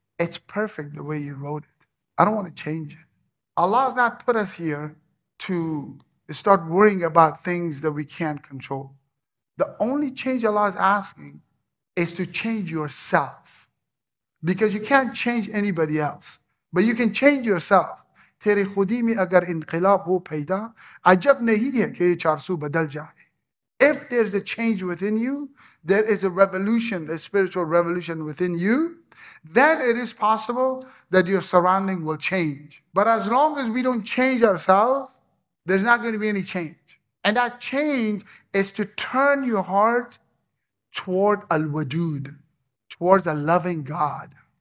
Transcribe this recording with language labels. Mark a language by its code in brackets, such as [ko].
[en] It's perfect the way you wrote it. I don't want to change it. Allah has not put us here to start worrying about things that we can't control. The only change Allah is asking is to change yourself, because you can't change anybody else, but you can change yourself. [ur] تیرے خودی میں اگر انقلاب ہو پیدا عجب نہیں ہے کہ یہ چار سو بدل جائے. [en] If there is a change within you, there is a revolution, a spiritual revolution within you, then it is possible that your surrounding will change. But as long as we don't change ourselves, there's not going to be any change. And that change is to turn your heart toward Al-Wadud, towards a loving God.